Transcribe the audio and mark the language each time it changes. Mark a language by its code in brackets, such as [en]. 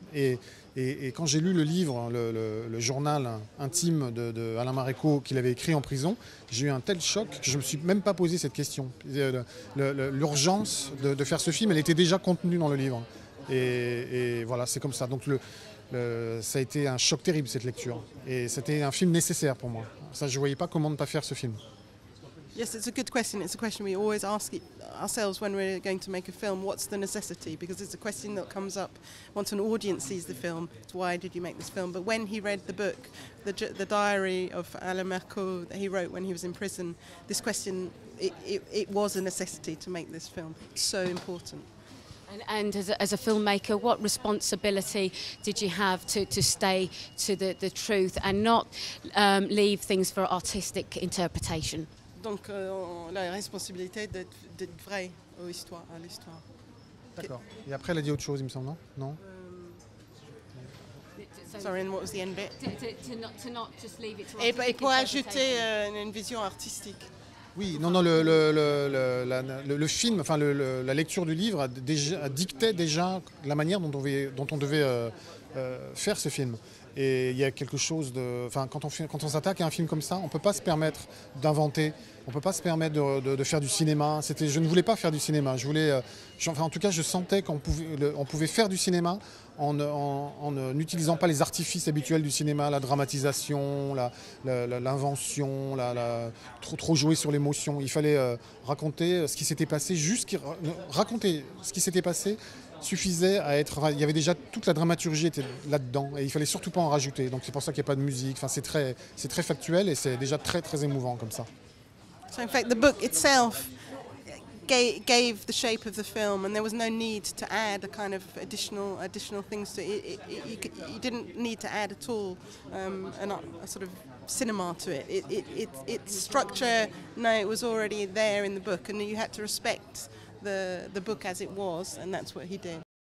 [fr] Et quand j'ai lu le livre, le journal intime de Alain Marécaux qu'il avait écrit en prison, j'ai eu un tel choc que je ne me suis même pas posé cette question. L'urgence de faire ce film, elle était déjà contenue dans le livre. Et voilà, c'est comme ça. Donc ça a été un choc terrible, cette lecture. Et c'était un film nécessaire pour moi. Ça, je ne voyais pas comment ne pas faire ce film. [en] Yes, it's a good question. It's a question we always ask ourselves when we're going to make a film. What's the necessity? Because it's a question that comes up once an audience sees the film. It's why did you make this film? But when he read the book, the diary of Alain Marécaux that he wrote when he was in prison, this question, it was a necessity to make this film. It's so important. And as a filmmaker, what responsibility did you have to stay to the truth and not leave things for artistic interpretation? [fr] Donc la responsabilité d'être vrai aux histoires, à l'histoire. D'accord. Et après, elle a dit autre chose, il me semble, non? Non. [en] Sorry, and what was the end bit? To not just leave it to artistic interpretation. [fr] Et pour ajouter une vision artistique. Oui, non, le film, enfin la lecture du livre dictait déjà la manière dont on devait faire ce film. Et il y a quelque chose de, enfin quand on s'attaque à un film comme ça, on peut pas se permettre d'inventer, on peut pas se permettre de faire du cinéma. Je ne voulais pas faire du cinéma. Je voulais, enfin en tout cas, je sentais qu'on pouvait faire du cinéma en n'utilisant pas les artifices habituels du cinéma, la dramatisation, l'invention, trop jouer sur l'émotion. Il fallait raconter ce qui s'était passé, raconter ce qui s'était passé suffisait à être... Il y avait déjà toute la dramaturgie était là-dedans et il fallait surtout pas en rajouter. Donc c'est pour ça qu'il n'y a pas de musique. Enfin, c'est très factuel et c'est déjà très très émouvant comme ça. [en] So in fact, the book itself gave the shape of the film, and there was no need to add a kind of additional things to it. You didn't need to add at all a sort of cinema to it. Its structure, no, it was already there in the book, and you had to respect the book as it was, and that's what he did.